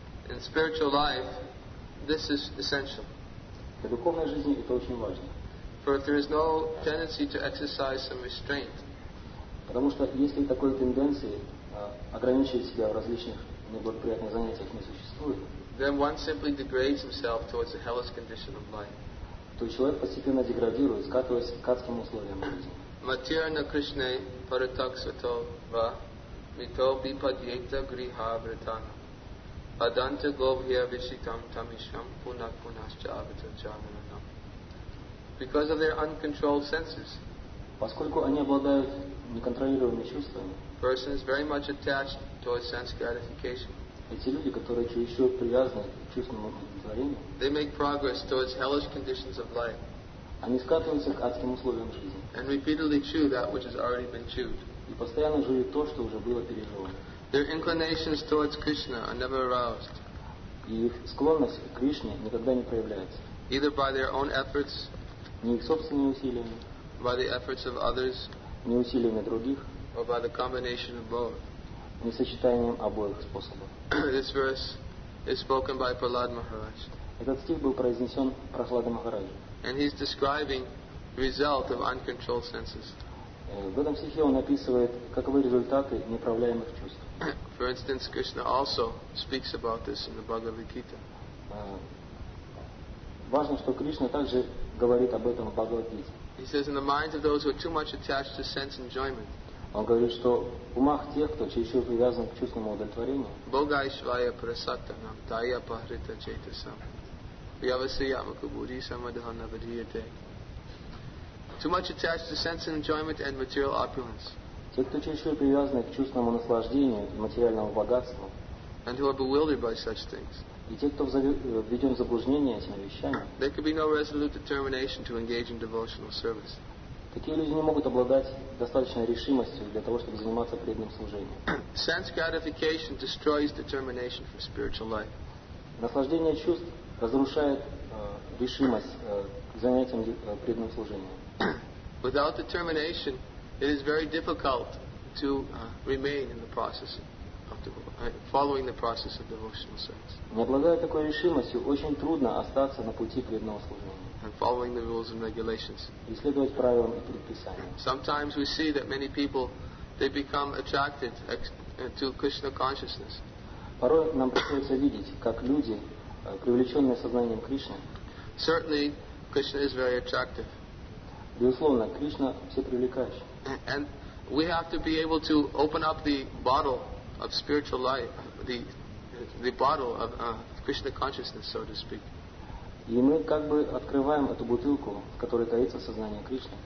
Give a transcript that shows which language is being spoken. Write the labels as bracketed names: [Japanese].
[English] In spiritual life, this is essential. [Russian] Для духовной жизни это очень важно. [English] For if there is no tendency to exercise some restraint. [Russian] Потому что если такой тенденции ограничивать себя в различных неблагоприятных занятиях не существует, [English] then one simply degrades himself towards the hellish condition of life. [Russian] То человек постепенно деградирует, скатываясь к адским условиям жизни. [Sanskrit] Матерна Кришне Паратак Свято Ва Мито Бипадьета Гриха Вритана Аданте Говхия Вишитам Тамишам Пунак Пунашча Авита Джаманана. [English] Because of their uncontrolled senses, [Russian] поскольку они обладают неконтролируемыми чувствами, [English] persons very much attached towards sense gratification, [Russian] эти люди, которые чересчур привязаны к чувственному удовлетворению, [English] they make progress towards hellish conditions of life. [Russian] Они скатываются к адским условиям жизни. [English] And repeatedly chew that which has already been chewed. [Russian] И постоянно жуют то, что уже было пережевано. [English] Their inclinations towards Krishna are never aroused. [Russian] И их склонность к Кришне никогда не проявляется. [English] Either by their own efforts, [Russian] не их собственными усилиями, [English] by the efforts of others, [Russian] не усилиями других, [English] or by the combination of both, [Russian] не сочетанием обоих способов. [English] This verse is spoken by Prahlad Maharaj. [Russian] Этот стих был произнесен Прахладой Махараджи. [English] And he's describing the result of uncontrolled senses. [Russian] В этом стихе он описывает, каковы результаты неуправляемых чувств. [English] For instance, Krishna also speaks about this in the Bhagavad Gita. [Russian] Важно, что Кришна также говорит об этом в Бхагавад-гите. [English] He says, in the minds of those who are too much attached to sense enjoyment, [Russian] Он говорит, что в умах тех, кто чересчур привязан к чувственному удовлетворению, [Sanskrit] Бога Ишвая Прасатанам, Тая Пахрита Чайтасам, Явасия Макабури Самадхана Вадхиете. [English] Too much attached to sense and enjoyment and material opulence. [Russian] Те, кто чересчур привязаны к чувственному наслаждению и материальному богатству, [English] and who are bewildered by such things, [Russian] и те, кто введен в заблуждение этими вещами, [English] there could be no resolute determination to engage in devotional service. [Russian] Такие люди не могут обладать достаточной решимостью для того, чтобы заниматься преданным служением. [English] Sense gratification destroys determination for spiritual life. [Russian] Наслаждение чувств разрушает решимость к занятиям преданным служением. [English] Without determination, it is very difficult to remain in the process of following the process of devotional service. [Russian] Не обладая такой решимостью, очень трудно остаться на пути преданного служения. [English] And following the rules and regulations. [Russian] И следовать правилам и предписаниям. [English] Sometimes we see that many people they become attracted to Krishna consciousness. [Russian] Порой нам приходится видеть, как люди, привлеченные сознанием Кришны. [English] Certainly, Krishna is very attractive. [Russian] Безусловно, Кришна всепривлекающий. [English] And we have to be able to open up the bottle of spiritual life, the bottle of Krishna consciousness, so to speak. [Russian] И мы как бы открываем эту бутылку, в которой таится сознание Кришны.